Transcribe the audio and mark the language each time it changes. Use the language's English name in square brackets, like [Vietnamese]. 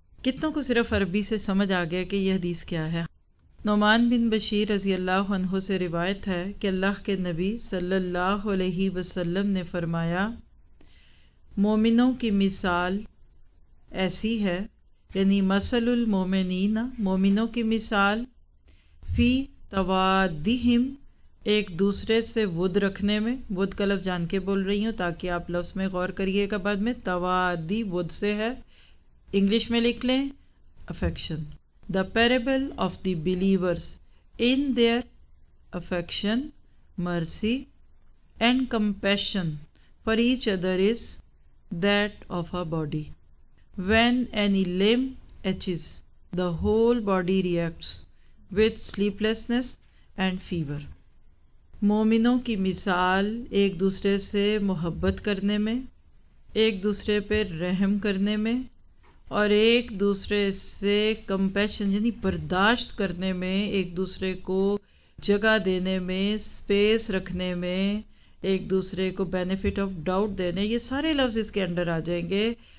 [Urdu] کتنوں کو صرف عربی سے سمجھ آ گیا کہ یہ حدیث کیا ہے؟ نعمان بن بشیر رضی اللہ عنہ سے روایت ہے کہ اللہ کے نبی صلی اللہ علیہ وسلم نے فرمایا، مومنوں کی مثال ایسی ہے، یعنی [Arabic] مثل المومنین [Urdu] مومنوں کی مثال، فی توادہم ایک دوسرے سے ود رکھنے میں. ود کا لفظ جان کے بول رہی ہوں تاکہ آپ لفظ میں غور کریے گا بعد میں. توادی ود سے ہے، انگلش میں لکھ لیں affection. [English] The parable of the believers in their affection, mercy and compassion for each other is that of a body. When any limb itches, the whole body reacts with sleeplessness and fever. [Urdu] مومنوں کی مثال ایک دوسرے سے محبت کرنے میں، ایک دوسرے پہ رحم کرنے میں، اور ایک دوسرے سے کمپیشن یعنی برداشت کرنے میں، ایک دوسرے کو جگہ دینے میں، سپیس رکھنے میں، ایک دوسرے کو بینیفٹ آف ڈاؤٹ دینے، یہ سارے لفظ اس کے انڈر آ جائیں گے.